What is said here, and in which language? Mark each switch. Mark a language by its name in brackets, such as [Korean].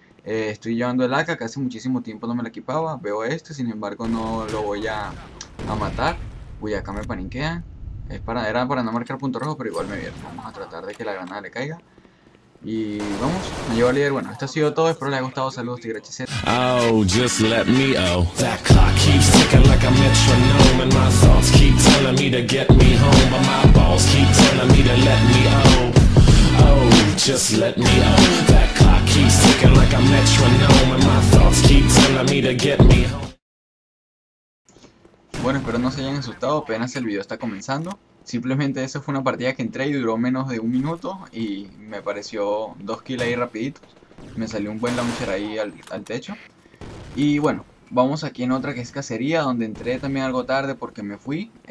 [Spanish] Estoy llevando el AK, que hace muchísimo tiempo no me la equipaba. Veo esto, sin embargo, no lo voy a matar. Uy, acá me paniquea. Era para no marcar punto rojo, pero igual me vieron. Vamos a tratar de que la granada le caiga. Y vamos, me llevo al líder. Bueno, esto ha sido todo. Espero les haya gustado. Saludos, [English] Tigre HZ. Oh, just let me oh. That clock keeps ticking like a metronome, and my thoughts keep telling me to get me home, but my balls keep telling me to let me oh. Oh, just let me oh. That clock keeps ticking like a metronome, and my thoughts keep telling me to get me home. [Spanish] Bueno, espero no se hayan asustado. Apenas el video está comenzando. Simplemente eso fue una partida que entré y duró menos de un minuto y me pareció dos kills ahí rapiditos. Me salió un buen launcher ahí al techo. Y bueno, vamos aquí en otra que es cacería, donde entré también algo tarde porque me fui.